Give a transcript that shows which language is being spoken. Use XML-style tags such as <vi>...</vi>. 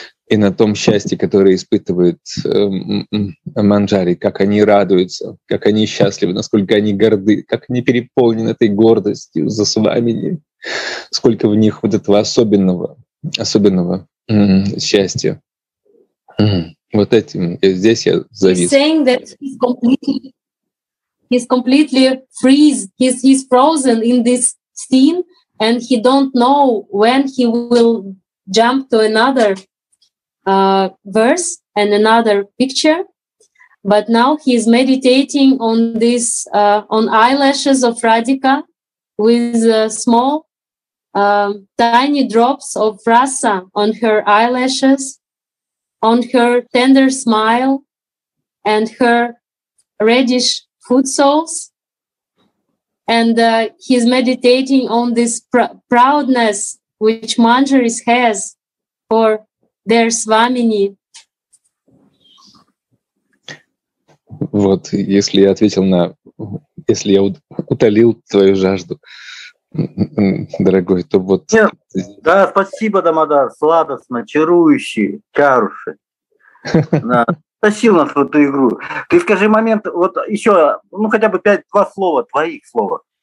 <ru>И на том счастье, которое испытывает Манджари, как они радуются, как они счастливы, насколько они горды, как они переполнены этой гордостью за Свамини, сколько в них вот этого особенного счастья. Вот этим здесь я завис.</ru> <en>He's saying that he's completely freezed, he's frozen in this scene, and he don't know when he will jump to another verse and another picture, but now he is meditating on this on eyelashes of Radhika with small tiny drops of rasa on her eyelashes, on her tender smile and her reddish foot soles, and he is meditating on this proudness which Manjari has for their Swamini.</en> <ru>Вот, если я ответил на, если я утолил твою жажду, дорогой, то вот. Нет, да, спасибо, Дамодар, сладостно, чарующий, Каруши. Да, тащил нас в эту игру. Ты скажи момент, вот еще, ну хотя бы 5-2 слова, твоих слова.</ru>